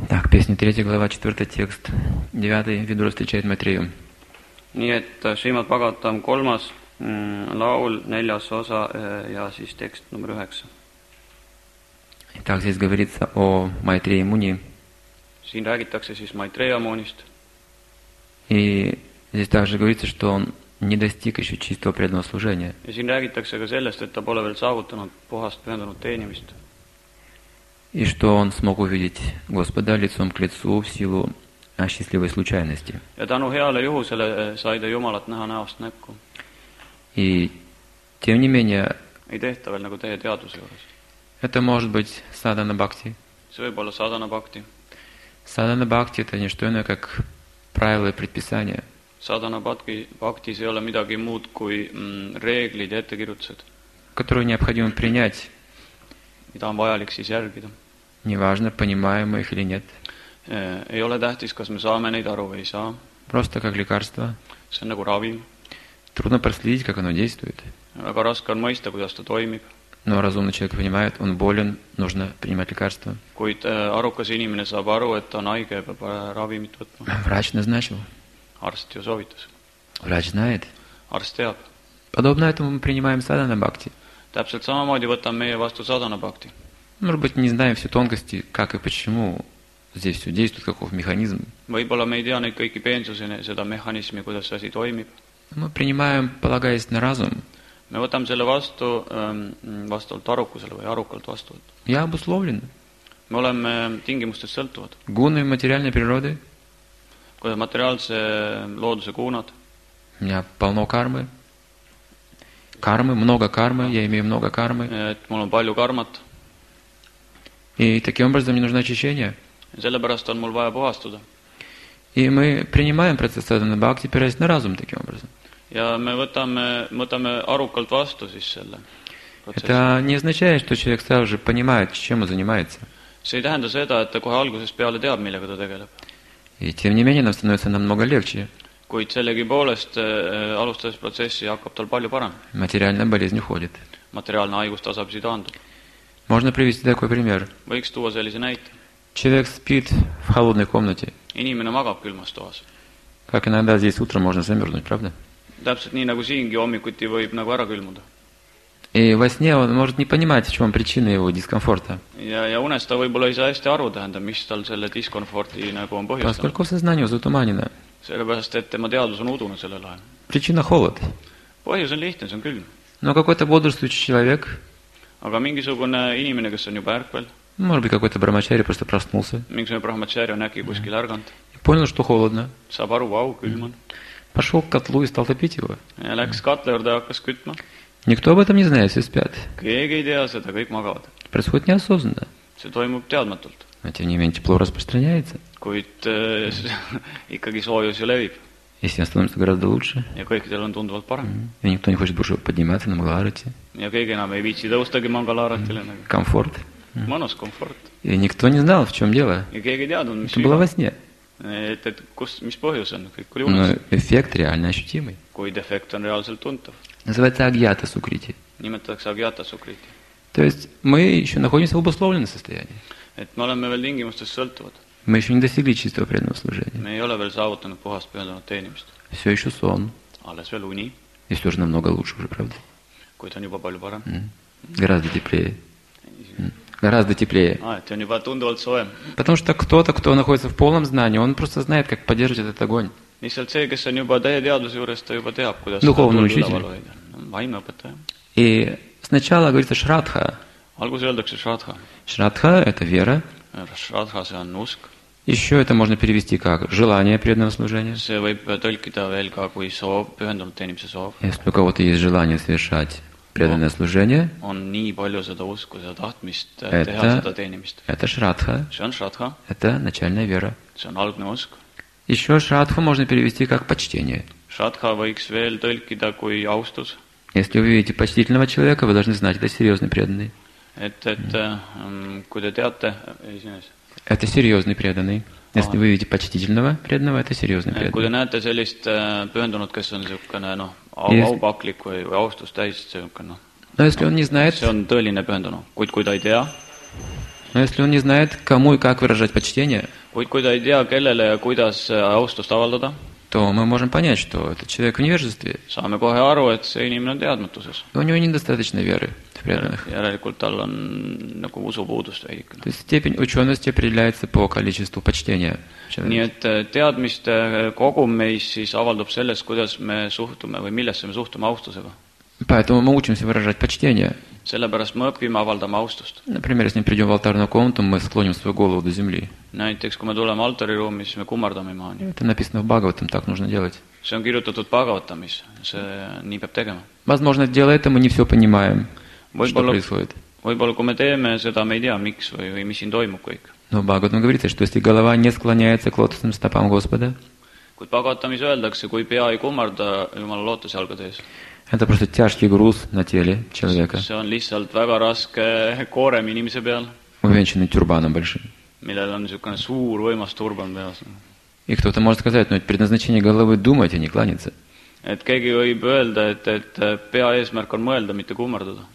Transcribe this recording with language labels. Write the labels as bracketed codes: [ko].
[ru] Песни 3 глава 4 текст 9 ведро встречает Матрею. [et] Нет, Шримад Бхагаватам kolmas laul neljas osa ja siis tekst numero 9. [ru] Итак, здесь говорится о Майтрея Муни. [et] Siin räägitakse siis Майтрея Мунист. [ru] И здесь также говорится, что он не достиг еще чистого преданного служения. [et] Ja siin räägitakse ka sellest, et ta pole veel saavutanud puhast pühendunud teenimist. [ru] И что он смог увидеть Господа лицом к лицу в силу счастливой случайности. [et] Ja tänu heale juhusele sai ta Jumalat näha näost näkku. [ru] И тем не менее... [et] Ei tehta veel nagu teie teaduse juures. [ru] Это может быть садана бхакти. [et] See võib olla садана бхакти. [ru] Садана бхакти – это не что иное, как правила и предписания. [et] Садана бхактис ei ole midagi muud, kui reeglid ja ettekirjutused. [ru] Которую необходимо принять... [et] mida on vajalik siis järgida. [ru] Неважно, понимаем их или нет. [et] Ei ole tähtis, kas me saame neid aru või ei saa. [ru] Просто как лекарство. [et] See on nagu ravim. [ru] Трудно проследить, как оно действует. [et] Väga raske on mõista, kuidas ta toimib. [ru] Но разумный человек понимает, он болен, нужно принимать лекарство. [et] Kuid arukas inimene saab aru, et ta on haige ja peab ravimit võtma. [ru] Врач назначил. [et] Arst ju soovitas. [ru] Врач знает. [et] Arst teab. [ru] Подобно этому мы принимаем садана бхакти. [et] Täpselt samamoodi võtame meie vastu sadana bhakti. [ru] Может быть, не знаем все тонкости, как и почему здесь все действует, каков механизм. [et] Võib-olla me ei tea neid kõiki peensusine, seda mehanismi, kuidas asi toimib. [ru] Мы принимаем, полагаясь на разум. [et] Me võtame selle vastu vastavalt arukusele või arukalt vastuvalt. [ru] Я обусловлен. [et] Me oleme tingimustest sõltuvad. [ru] Гуны материальной природы. [et] Kuidas materiaalse looduse kuunad. [ru] У меня полно кармы. Кармы, много кармы, я имею много кармы. [et] Mul on palju karmat. [ru] И таким образом мне нужно очищение. [et] Sellepärast on mul vaja puhastuda. [ru] И мы принимаем процесс садана бхакти, опираясь на разум таким образом. [et] Ja me võtame arukalt vastu siis selle [ru] процессе. Это не означает, что человек сразу же понимает, чем он занимается. [et] See ei tähenda seda, et ta kohe algusest peale teab, millega ta tegeleb. [ru] И тем не менее, нам становится намного легче. [et] Kuid sellegi poolest alustades protsessi hakkab tal palju parem. Materiaalne [ru] болезнь уходит. [et] Materiaalne haigus tasapisi taandub. [ru] Можно привести такой пример. [et] Võiks tuua sellise näite. [ru] Человек спит в холодной комнате. [et] Inimene magab külmas toas. [ru] Как иногда здесь утром можно замерзнуть, правда? [et] Täpselt nii nagu siingi hommikuti võib nagu ära külmuda. [ru] И во сне он может не понимать, в чем причина его дискомфорта. [et] Ja unes ta võib-olla ei saa hästi aru tähenda, mis tal selle diskomforti nagu on põhjustanud. [ru] Поскольку сознание затуманено. [et] Sellepärast, et tema teadus on udune sellel ajal. [ru] Причина холод. [et] Põhjus on lihtne, see on külm. [ru] No какой-то бодрствующий человек. [et] Aga mingisugune inimene, kes on juba ärkvel. [ru] Может быть, какой-то брахмачари просто проснулся. [et] Mingisugune брахмачари on äkki kuskil ärganud. [ru] Понял, что холодно. [et] Saab aru, vau, külm on. [ru] Пошел к котлу и стал топить его. [et] Ja läks katle juurde, hakkas kütma. [ru] Никто об этом не знает, все спят. [et] Keegi ei tea seda, kõik magavad. [ru] Происходит неосознанно. [et] See toimub teadmatult. [ru] Но тем не менее тепло распространяется. [et] Kuid ikkagi soojus ju levib. [ru] И с ним становится гораздо лучше. [et] Ja kõikidel on tunduvalt parem. [ru] И никто не хочет больше подниматься на Мангаларате. [et] Ja keegi enam ei viitsi tõustagi Мангаларатиле. [ru] Комфорт. [et] Mõnus комфорт. [ru] И никто не знал, в чем дело. [et] Ja keegi teadun, mis [ru] это было во сне. [et] Et kus, mis põhjus on? Kõik oli no, [ru] эффект реально ощутимый. [et] Kuid эффект on reaalselt tuntav. [ru] Называется агьята сукрити. [et] Nimetatakse агьята сукрити. [ru] То есть мы еще находимся в обусловленном состоянии. [et] Et me oleme veel tingimustes sõltuvad. [ru] Мы еще не достигли чистого преданного служения. [et] Me ei ole veel saavutanud puhast pühendunud teenimist. [ru] Все еще сон. [et] Alles veel uni. [ru] И все же намного лучше уже, правда? [et] Kuid on juba palju parem. [ru] Гораздо теплее. Гораздо теплее. [et] Ты on juba tunduvalt soojem. [ru] Потому что кто-то, кто находится в полном знании, он просто знает, как поддерживать этот огонь. [et] Lihtsalt see, kes on juba täie teaduse juures, ta juba teab, kuidas [ru] духовный учитель. [et] Vaimne õpetaja. [ru] И сначала говорится шрадха. [et] Alguses öeldakse шрадха. [ru] Шрадха – это вера. [et] Шрадха – see on usk. [ru] Еще это можно перевести как желание преданного служения. [et] See võib tõlkida veel ka kui soov, pühendunud teenimise soov. [ru] Если у кого-то есть желание совершать преданное служение, [et] on nii palju seda usku, seda tahtmist teha seda teenimist. [ru] Это шрадха. [et] See on шрадха. [ru] Это начальная вера. [et] See on algne usk. [ru] Еще шрадху можно перевести как почтение. [et] Шрадха võiks veel tõlkida kui austus. [ru] Если вы видите почтительного человека, вы должны знать, это серьезный преданный. [et] Kui te teate, [ru] это серьезный преданный. Если вы видите почтительного преданного, это серьезный преданный. [et] Kui te näete sellist pühendunut, kes on siukene, no, aupaklik või austus täis, siukene. [ru] Но если он не знает, [et] see on tõeline pühendunu. Kuid kui ta ei tea, [ru] Но если он не знает, кому и как выражать почтение, [et] kui ta ei tea, kellele ja kuidas austust avaldada, [ru] то мы можем понять, что этот человек в невежестве. [et] Saame kohe aru, et see inimene on teadmatuses. [ru] У него недостаточно веры в преданных. [et] Järelikult tal on nagu usupuudust veidikene. [ru] То есть степень учености определяется по количеству почтения. [et] Nii et teadmiste kogum meis siis avaldub selles, kuidas me suhtume või millesse me suhtume austusega. [ru] Поэтому мы учимся выражать почтение. [et] Sellepärast me õpime avaldama austust. [ru] Например, если мы придем в алтарную комнату, мы склоним свою голову до земли. [et] Näiteks, kui me tuleme altari ruumi, siis me kummardame imaani. [ru] Это написано в Бхагаватам, так нужно делать. [et] See on kirjutatud Bhagavatamis, see nii peab tegema. [ru] Возможно, делая это, мы не все понимаем, что происходит. [et] Võibolla, kui me teeme seda, me ei tea, miks või mis siin toimub kõik. [ru] Но Бхагаватам говорит, что если голова не склоняется к лотосным стопам Господа, [et] kui Bhagavatamis öeldakse, kui pea ei kummarda Jumala lootuse jalgade ees. [ru] Это просто тяжкий груз на теле человека. [et] See on lihtsalt väga raske koorem inimese peal. [ru] Увенчанный тюрбаном большим. [et] Millel on niisugune suur võimas turban peas. [ru] И кто-то может сказать, но это предназначение головы думать, а не кланяться. [et] Et keegi võib öelda, et pea eesmärk on mõelda, mitte kummardada.